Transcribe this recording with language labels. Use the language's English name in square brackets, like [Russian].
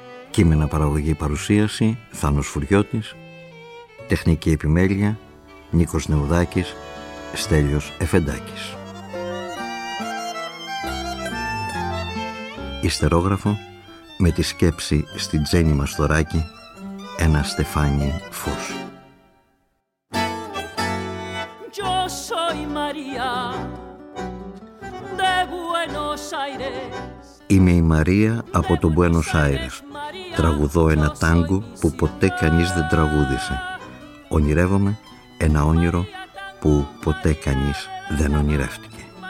[Greek] Κείμενα, παραγωγή, παρουσίαση Θάνος Φουριώτης, τεχνική επιμέλεια Νίκος Νεουδάκης, Στέλιος Εφεντάκης. Ιστερόγραφο με τη σκέψη στην Τζένι Μαστοράκη, ένα στεφάνι φως. [Spanish] Yo soy María de Buenos Aires. [Greek] Είμαι η Μαρία από το Buenos Aires. Τραγουδώ ένα τάγκο που ποτέ κανείς δεν τραγούδησε. Ονειρεύομαι ένα όνειρο που ποτέ κανείς δεν ονειρεύτηκε.